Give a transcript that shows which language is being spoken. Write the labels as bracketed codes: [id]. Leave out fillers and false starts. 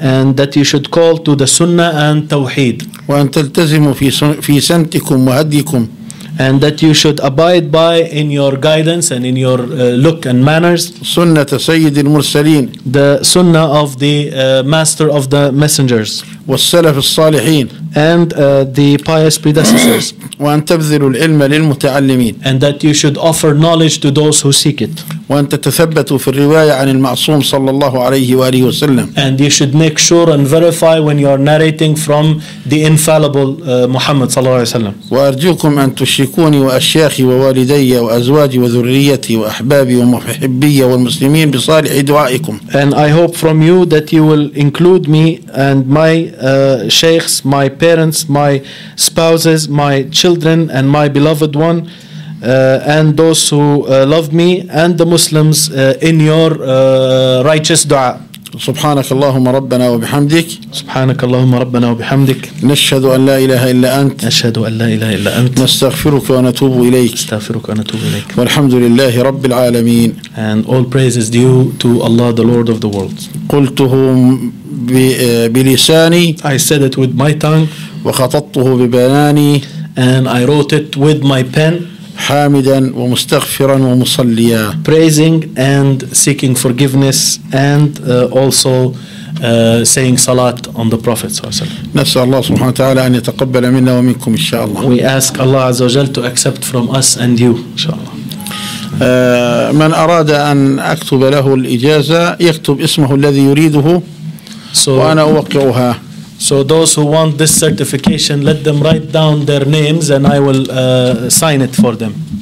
[en] and that you should call to the sunnah and tawheed [ar] وأن تلتزموا في سنتكم وهديكم [en] and that you should abide by in your guidance and in your look and manners. [ar] سنة سيد المرسلين. [en] The sunnah of the master of the messengers. [ar] والسلف الصالحين. [en] And the pious predecessors. [ar] وأن تبذل العلم للمتعلمين. [en] And that you should offer knowledge to those who seek it. [ar] وأن تتثبت في الرواية عن المعصوم صلى الله عليه وآله وسلم. [en] And you should make sure and verify when you are narrating from the infallible Muhammad [ar] صلى الله عليه وسلم. وأرجوكم أن تشركوني وأشياخي ووالدي وأزواجي وذريتي وأحبابي ومحبي والمسلمين بصالح دعائكم. [en] And I hope from you that you will include me and my sheikhs, my parents, my spouses, my children and my beloved one and those who love me and the Muslims in your righteous dua. [ar] سبحانك اللهم ربنا وبحمدك. سبحانك اللهم ربنا وبحمدك. نشهد أن لا إله إلا أنت. نشهد أن لا إله إلا أنت. نستغفرك ونتوب إليك. نستغفرك ونتوب إليك. والحمد لله رب العالمين. [en] And all praise is due to Allah, the Lord of the worlds. [ar] قلته بلساني. [en] I said it with my tongue. [ar] وخططته ببناني. [en] And I wrote it with my pen. [ar] حامدا ومستغفرا ومصليا. [en] Praising and seeking forgiveness and also saying salat on the Prophet [ar] صلى الله عليه وسلم. نسأل الله سبحانه وتعالى أن يتقبل منا ومنكم إن شاء الله. [en] We ask Allah [ar] عز وجل [en] to accept from us and you [ar] إن شاء الله. من أراد أن أكتب له الإجازة يكتب اسمه الذي يريده وأنا أوقعها. [en] So those who want this certification, let them write down their names and I will sign it for them.